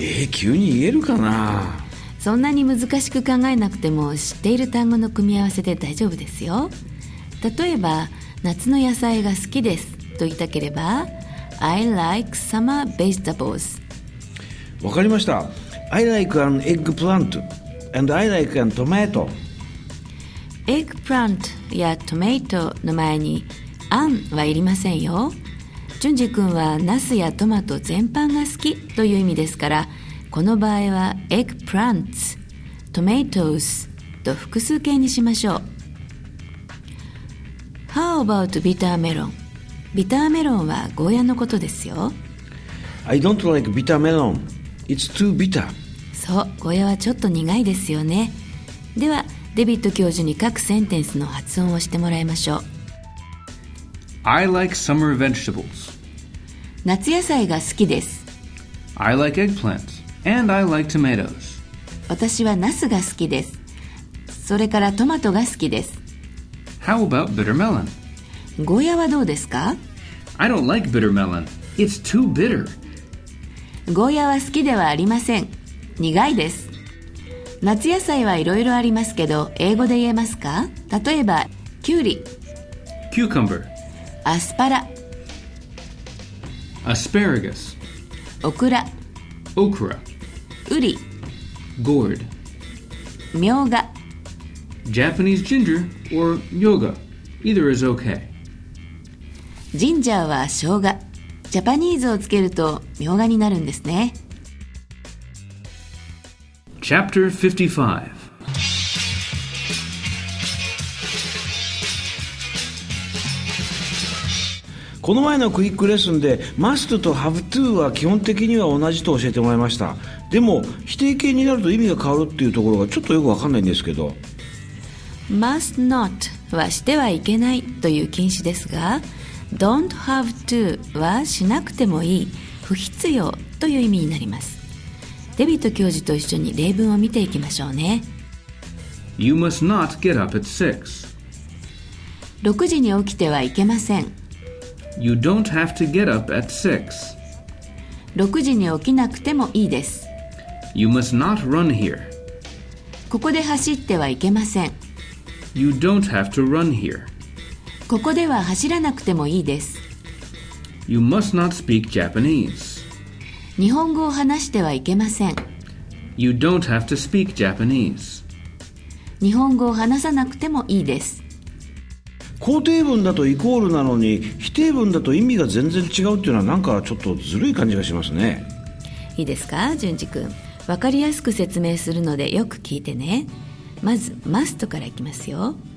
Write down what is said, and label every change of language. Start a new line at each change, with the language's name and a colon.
Japanese: 急に言えるかな。そんなに難しく考えなくても、知っている単語の組み合わせで大丈夫ですよ。例えば夏の野菜が好きですと言いたければ
English: I like summer vegetables。
Japanese: わかりました。
English: I like an eggplant and I like a tomato。
Japanese: eggplant や tomato の前に an はいりませんよ。淳二君はナスやトマト全般が好きという意味ですから、この場合は eggplants、tomatoes と複数形にしましょう。
English: How about bitter melon?
Japanese: ビターメロンはゴーヤのことですよ。
English: I don't like bitter melon. It's too bitter.
Japanese: そう、ゴーヤはちょっと苦いですよね。ではデビッド教授に各センテンスの発音をしてもらいましょう。
English: I like summer vegetables.
Japanese: 夏野菜が好きです。
English: I like eggplants and I like tomatoes.
Japanese: 私はナスが好きです。それからトマトが好きです。
English: How about bitter melon?
Japanese: ゴーヤはどうですか?
English: I don't like bitter melon. It's too bitter.
Japanese: ゴーヤは好きではありません。苦いです。夏野菜はいろいろありますけど、英語で言えますか? 例えば、キュウリ。
English: Cucumber.
Japanese: アスパラ。
English: Asparagus.
Japanese: オクラ。
English: Okra.
Japanese: ウリ。
English: Gourd.
Japanese: ミョウガ。
English: Japanese ginger or yoga, either is okay.
Japanese: Ginger は生姜。 Japanese をつけると苗がになるんですね。
English: Chapter 55.
Japanese: この前のクイックレッスンで must と have to は基本的には同じと教えてもらいました。でも否定形になると意味が変わるっていうところがちょっとよくわかんないんですけど。 Must not はしてはいけないという禁止ですが、 Don't have to はしなくてもいい、不必要という意味になります。デビット教授と一緒に例文を見ていきましょうね。
English: You must not get up at 6.
Japanese: 6時に起きてはいけません。
English: You don't have to get up at 6.
Japanese: 6時に起きなくてもいいです。
English: You must not run here.
Japanese: ここで走ってはいけません。
English: You don't have to run here.
Japanese: ここでは走らなくてもいいです。
English: You must not speak Japanese.
Japanese: 日本語を話してはいけません。
English: You don't have to speak Japanese.
Japanese: 日本語を話さなくてもいいです。肯定文だとイコールなのに、否定文だと意味が全然違うっていうのはなんかちょっとずるい感じがしますね。いいですか、淳二君。わかりやすく説明するのでよく聞いてね。まず must からいきますよ。